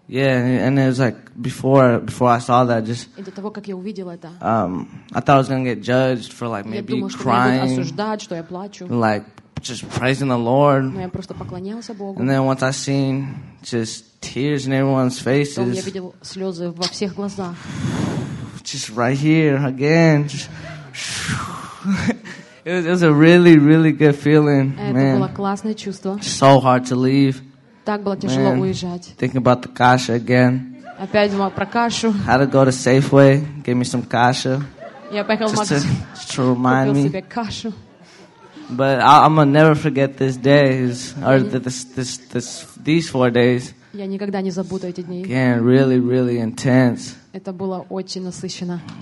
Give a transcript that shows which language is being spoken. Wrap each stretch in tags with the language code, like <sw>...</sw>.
<en>Yeah, and it was like before I saw that, just.</en> <ru>И до того, как я увидел это.</ru> <en>I thought I was gonna get judged for like maybe crying.</en> <ru>Я думал, что меня будут осуждать, что я плачу.</ru> <en>Like just praising the Lord.</en> <ru>Но я просто поклонялся Богу.</ru> <en>And then once I seen just. Tears in everyone's faces.</en> <ru>Я видел слезы во всех глазах.</ru> <en>Just right here again. It was a really, really good feeling.</en> <ru>Это</ru> <en>man.</en> <ru>Было классное чувство.</ru> <en>So hard to leave.</en> <ru>Так было тяжело уезжать.</ru> <en>Thinking about the kasha again.</en> <ru>Опять думал про кашу.</ru> <en>Had to go to Safeway, give me some kasha.</en> <ru>Я поехал в Макс.</ru> <en>Just to remind</en> <ru>купил</ru> <en>me.</en> <ru>Себе кашу.</ru> <en>But I'm gonna never forget this day, or these 4 days.</en> <ru>Я никогда не забуду эти дни.</ru> <en>Again, really, really intense.</en> <ru>Это было очень насыщенно.</ru>